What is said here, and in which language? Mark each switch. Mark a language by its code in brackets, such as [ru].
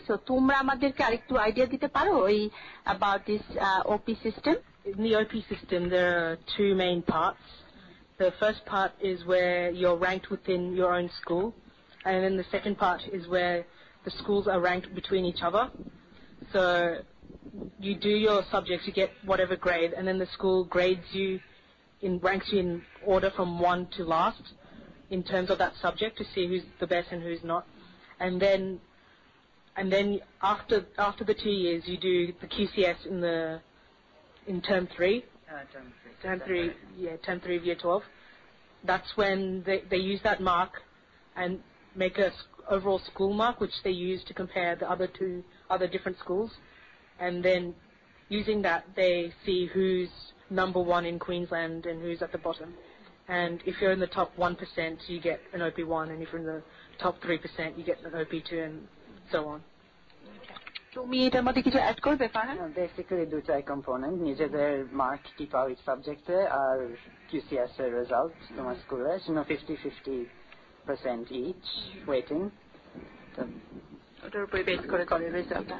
[bn] So তোমরা আমাদেরকে আরেকটু আইডিয়া দিতে পারো ওই [en] About this OP system? In the OP system there are two main parts, the first part is where you are ranked within your own school, and then the second part is where the schools are ranked between each other. So you do your subjects, you get whatever grade, and then the school grades you, in ranks you in order from one to last in terms of that subject to see who's the best and who's not. And then after the 2 years, you do the QCS in term three. Term three of year 12. That's when they use that mark and make a overall school mark, which they use to compare the other two other different schools, and then using that they see who's number one in Queensland and who's at the bottom, and if you're in the top 1% you get an OP1, and if you're in the top 3% you get an OP2, and so on. Okay. [bn] তুমি এটার মধ্যে কিছু add করবে Farhan? Basically দুটাই component, নিজেদের mark department সাবজেক্টে আর QCS এর result তোমার স্কুলে, [en] so 50-50% each weighting, [bn] ওটার উপরে বেস করে করে রেজাল্ট।